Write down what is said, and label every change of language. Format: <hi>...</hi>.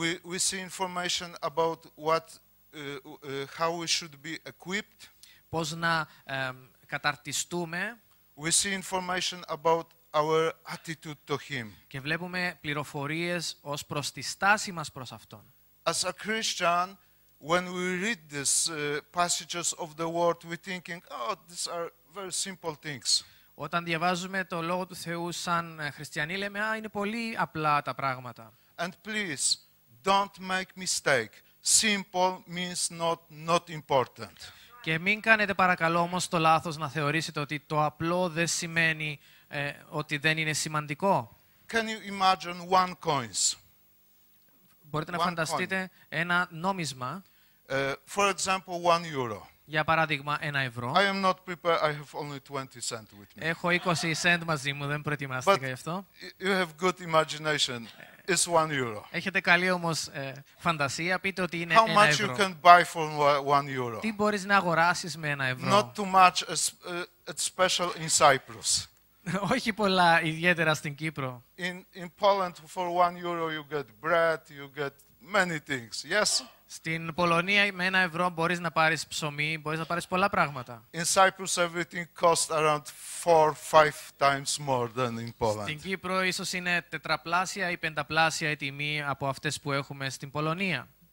<en>We see information about what, how we should be equipped.</en> <el>Πώς να καταρτιστούμε.</el> <en>We see information about our attitude to him.</en> <el>Και βλέπουμε πληροφορίες ως προς τη στάση μας προς αυτόν.</el> <en>As a Christian, when we read these passages of the Word, we're thinking, oh, these are very simple things.</en> <el>Όταν διαβάζουμε το λόγο του Θεού σαν χριστιανοί, λέμε, α, είναι πολύ απλά τα πράγματα.</el> <en>And please, don't make mistake. Simple means not, not important.</en> <el>Και μην κάνετε παρακαλώ όμως το λάθος να θεωρήσετε ότι το απλό δεν σημαίνει ότι δεν είναι σημαντικό.</el> <en>Can you imagine one coins?</en> <el>Μπορείτε να φανταστείτε ένα νόμισμα.</el> <en>For example, one euro.</en> <el>Για παράδειγμα, ένα ευρώ.</el> <en>I am not prepared. I have only 20 cents with me.</en> <el>Έχω 20 cent μαζί μου, δεν προετοιμάστηκα γι' αυτό.</el> <en>You have good imagination. It's one euro.</en> <el>Έχετε καλή όμως φαντασία, πείτε ότι είναι</el> <en>how</en> <el>ένα</el> <en>much</en> <el>ευρώ.</el> <en>You can buy for one euro.</en> <el>Τι μπορείς να αγοράσεις με ένα ευρώ.</el> <en>Not too much, special in Cyprus.</en> <el>Όχι πολλά, ιδιαίτερα στην Κύπρο.</el> <en>In Poland, for one euro you get bread, you get many things, yes?</en> <el>Στην Πολωνία με ένα ευρώ μπορείς να πάρεις ψωμί, μπορείς να πάρεις πολλά πράγματα.</el> <en>In Cyprus everything costs around 4-5 times more than in Poland.</en> <el>Στην Κύπρο ίσως είναι τετραπλάσια ή πενταπλάσια η τιμή από αυτές που έχουμε στην Πολωνία.</el>